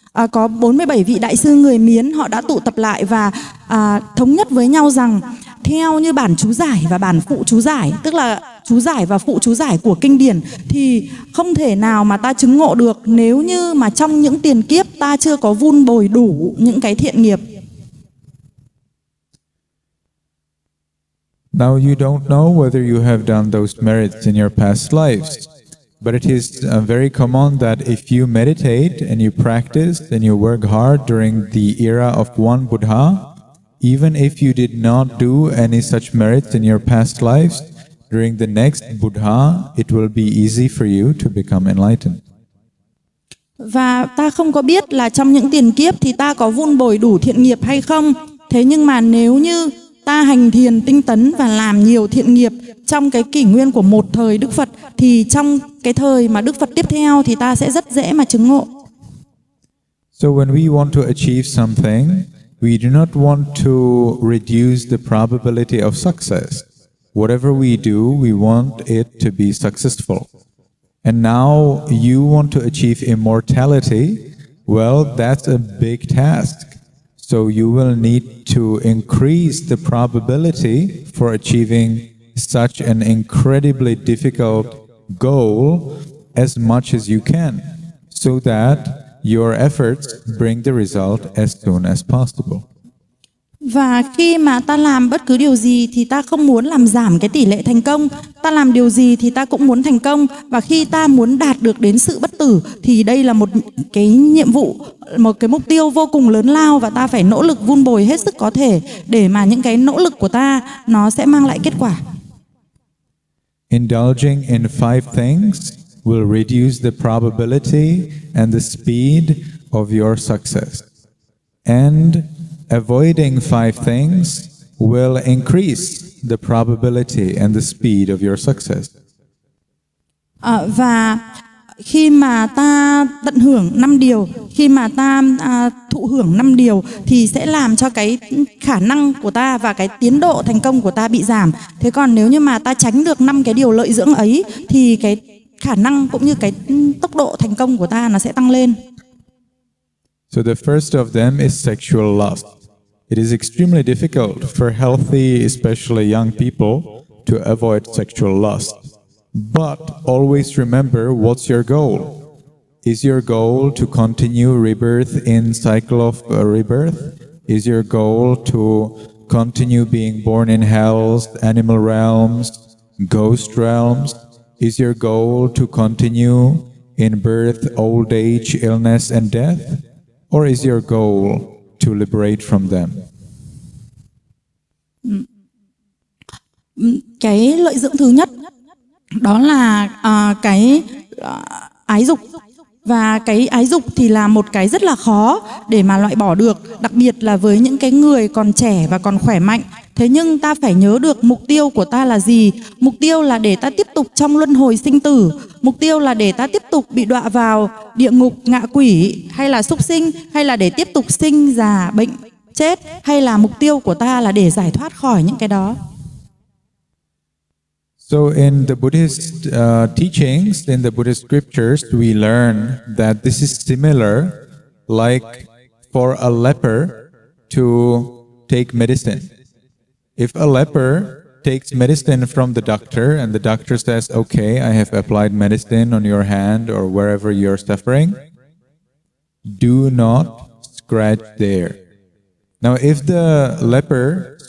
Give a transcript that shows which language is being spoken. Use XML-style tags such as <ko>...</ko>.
<vi>Có 47 vị đại sư người Miến, họ đã tụ tập lại và thống nhất với nhau rằng theo như bản chú giải và bản phụ chú giải, tức là chú giải và phụ chú giải của kinh điển, thì không thể nào mà ta chứng ngộ được nếu như mà trong những tiền kiếp ta chưa có vun bồi đủ những cái thiện nghiệp.</vi> <en>Now you don't know whether you have done those merits in your past lives. But it is very common that if you meditate and you practice and you work hard during the era of one Buddha, even if you did not do any such merits in your past lives, during the next Buddha, it will be easy for you to become enlightened.</en> <vi>Và ta không có biết là trong những tiền kiếp thì ta có vun bồi đủ thiện nghiệp hay không. Thế nhưng mà nếu như ta hành thiền tinh tấn và làm nhiều thiện nghiệp trong cái kỷ nguyên của một thời Đức Phật, thì trong cái thời mà Đức Phật tiếp theo thì ta sẽ rất dễ mà chứng ngộ.</vi> <en>So when we want to achieve something, we do not want to reduce the probability of success. Whatever we do, we want it to be successful. And now you want to achieve immortality, well, that's a big task. So you will need to increase the probability for achieving such an incredibly difficult goal as much as you can, so that your efforts bring the result as soon as possible.</en> <vi>Và khi mà ta làm bất cứ điều gì thì ta không muốn làm giảm cái tỷ lệ thành công. Ta làm điều gì thì ta cũng muốn thành công. Và khi ta muốn đạt được đến sự bất tử thì đây là một cái nhiệm vụ, một cái mục tiêu vô cùng lớn lao, và ta phải nỗ lực vun bồi hết sức có thể để mà những cái nỗ lực của ta nó sẽ mang lại kết quả.</vi> <en>Indulging in five things will reduce the probability and the speed of your success. And avoiding five things will increase the probability and the speed of your success.</en> <vi>Và khi mà ta tận hưởng năm điều, khi mà ta thụ hưởng năm điều, thì sẽ làm cho cái khả năng của ta và cái tiến độ thành công của ta bị giảm. Thế còn nếu như mà ta tránh được năm cái điều lợi dưỡng ấy, thì cái khả năng cũng như cái tốc độ thành công của ta nó sẽ tăng lên.</vi> <en>So the first of them is sexual lust. It is extremely difficult for healthy, especially young people, to avoid sexual lust. But always remember, what's your goal? Is your goal to continue rebirth in cycle of rebirth? Is your goal to continue being born in hells, animal realms, ghost realms? Is your goal to continue in birth, old age, illness and death? Or is your goal to liberate from them?</en> <vi>Cái lợi dưỡng thứ nhất đó là cái ái dục. Và cái ái dục thì là một cái rất là khó để mà loại bỏ được, đặc biệt là với những cái người còn trẻ và còn khỏe mạnh. Thế nhưng ta phải nhớ được mục tiêu của ta là gì. Mục tiêu là để ta tiếp tục trong luân hồi sinh tử. Mục tiêu là để ta tiếp tục bị đọa vào địa ngục, ngạ quỷ, hay là súc sinh, hay là để tiếp tục sinh, già, bệnh, chết, hay là mục tiêu của ta là để giải thoát khỏi những cái đó.</vi> <en>So in the Buddhist teachings, in the Buddhist scriptures, we learn that this is similar like for a leper to take medicine. If a leper takes medicine from the doctor and the doctor says, okay, I have applied medicine on your hand or wherever you are suffering, do not scratch there. Now, if the leper</en>